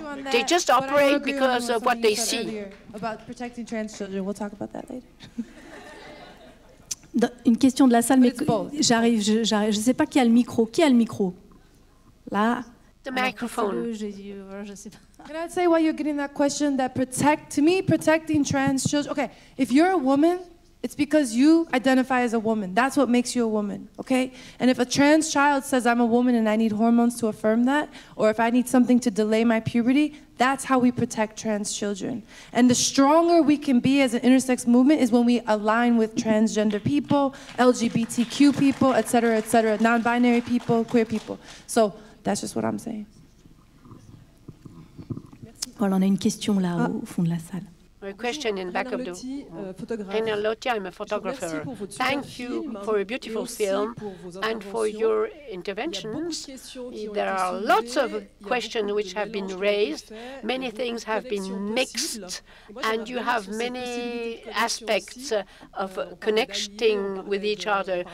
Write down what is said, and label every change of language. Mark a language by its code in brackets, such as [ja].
[en] They just operate because of what they see. About protecting trans children, we'll talk about that later. [fr] Une question de la salle, mais j'arrive, je ne sais pas qui a le micro. Qui a le micro? Là. [en] The microphone. Can I say why you're getting that question? That protect to me, protecting trans children. Okay, if you're a woman, it's because you identify as a woman. That's what makes you a woman. Okay, and if a trans child says I'm a woman and I need hormones to affirm that, or if I need something to delay my puberty, that's how we protect trans children. And the stronger we can be as an intersex movement is when we align with transgender people, LGBTQ people, etc., etc., non-binary people, queer people. So that's just what I'm saying. [fr] Voilà, on a une question là au fond de la salle. [en] A question in back of the Hanne Lotti, I'm a photographer. Thank you for a beautiful film and for your interventions. There are lots of questions which have been raised. Many things have been mixed, and you have many aspects of connecting with each other.